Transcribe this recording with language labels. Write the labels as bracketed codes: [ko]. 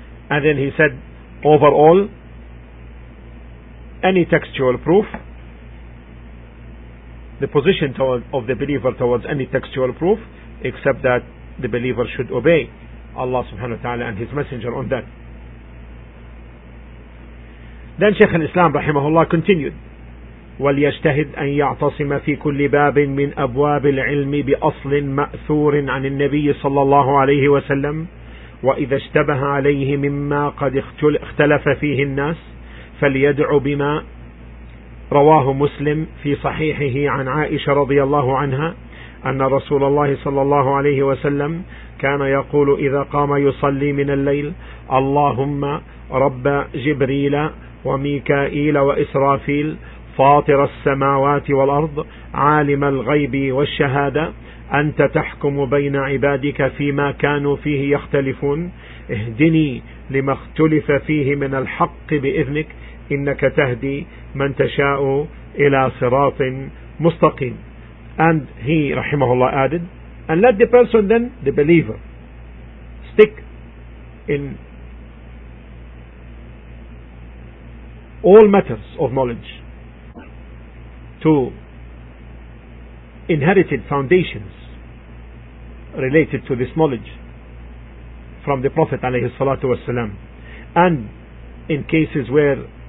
[en] And then he said, overall, any textual proof, the position of the believer towards any textual proof, except that the believer should obey Allah subhanahu wa ta'ala and His Messenger on that. Then Shaykh al-Islam rahimahullah continued, [ar] وَلْيَجْتَهِدْ أَنْ يَعْتَصِمَ فِي كُلِّ بَابٍ مِّنْ أَبْوَابِ الْعِلْمِ بِأَصْلٍ مَأْثُورٍ عَنِ النَّبِيِّ صَلَّى اللَّهُ عَلَيْهِ وَسَلَّمْ وَإِذَا اشْتَبَهَ عَلَيْهِ مِمَّا قَدْ اخْتَلَفَ فِيهِ النَّاسِ فَلْيَدْعُ بِمَا رواه مسلم في صحيحه عن عائشة رضي الله عنها أن رسول الله صلى الله عليه وسلم كان يقول إذا قام يصلي من الليل اللهم رب جبريل وميكائيل وإسرافيل فاطر السماوات والأرض عالم الغيب والشهادة أنت تحكم بين عبادك فيما كانوا فيه يختلفون اهدني لما اختلف فيه من الحق بإذنك إنك تهدي من تشاء إلى صراط مستقيم. [en] And he rahimahullah added, and let the person then, the believer, stick in all matters of knowledge to inherited foundations related to this knowledge from the Prophet alayhi salatu wasalam, and in cases where